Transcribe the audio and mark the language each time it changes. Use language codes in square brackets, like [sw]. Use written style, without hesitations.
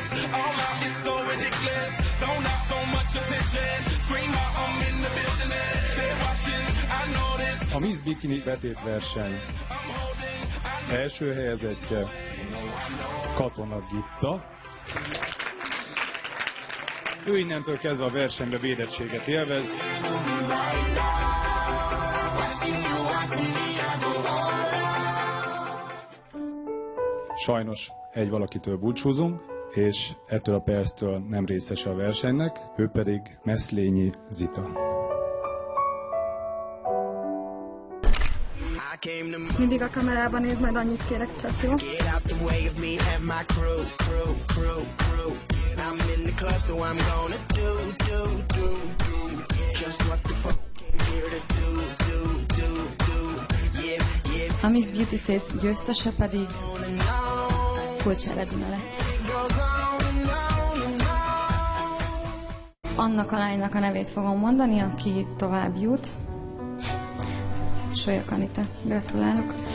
[en] All out is so ridiculous. Don't have so much attention. Scream out, I'm in the building. They're watching, I know this. [hu] A Miss Bikini vetét verseny első helyezettje Katona Gitta. Ő innentől kezdve a versenybe védettséget élvez. Sajnos egy valakitől búcsúzunk, és ettől a perctől nem részes a versenynek, ő pedig Meszlényi Zita. [en] I came to my- [hu] mindig a kamerában néz, majd annyit kérek csak, jó? [en] Get out the way of me and my crew, crew, crew, crew. I'm in the club, so I'm gonna do, do, do, do. Just what the fuck came here to do, do, do, do. Yeah, yeah. [hu] A Miss Beauty Face győztese pedig Kulcsár Edina lett. Annak a lánynak a nevét fogom mondani, aki tovább jut. Sólyok Anita, gratulálok!